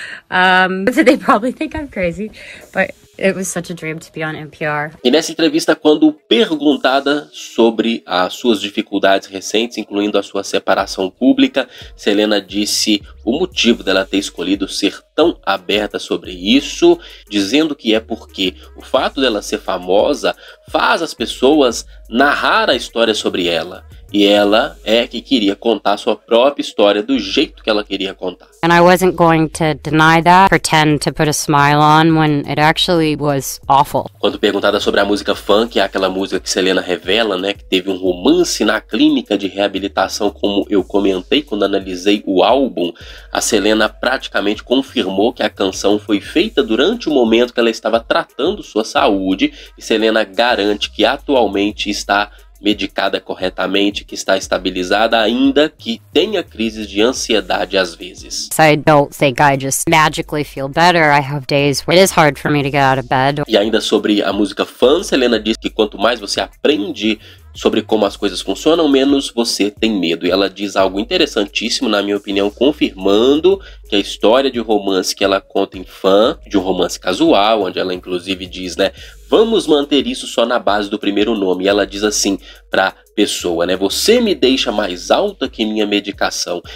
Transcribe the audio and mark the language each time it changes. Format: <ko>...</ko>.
<en>So they probably think I'm crazy, but it was such a dream to be on NPR.</en> <pt>E nessa entrevista, quando perguntada sobre as suas dificuldades recentes, incluindo a sua separação pública, Selena disse o motivo dela ter escolhido ser tão aberta sobre isso, dizendo que é porque o fato dela ser famosa faz as pessoas narrar a história sobre ela. E ela é que queria contar sua própria história do jeito que ela queria contar.</pt> <en>And I wasn't going to deny that, pretend to put a smile on when it actually was awful.</en> <pt>Quando perguntada sobre a música Funk, aquela música que Selena revela, né, que teve um romance na clínica de reabilitação, como eu comentei quando analisei o álbum, a Selena praticamente confirmou que a canção foi feita durante o momento que ela estava tratando sua saúde, e Selena garante que atualmente está medicada corretamente, que está estabilizada, ainda que tenha crises de ansiedade às vezes.</pt> <en>I don't think I just magically feel better. I have days where it is hard for me to get out of bed.</en> <pt>E ainda sobre a música Fun, Selena diz que quanto mais você aprende sobre como as coisas funcionam, menos você tem medo. E ela diz algo interessantíssimo, na minha opinião, confirmando que a história de romance que ela conta em Fã, de um romance casual, onde ela inclusive diz, né, vamos manter isso só na base do primeiro nome. E ela diz assim pra pessoa, né, você me deixa mais alta que minha medicação.</pt>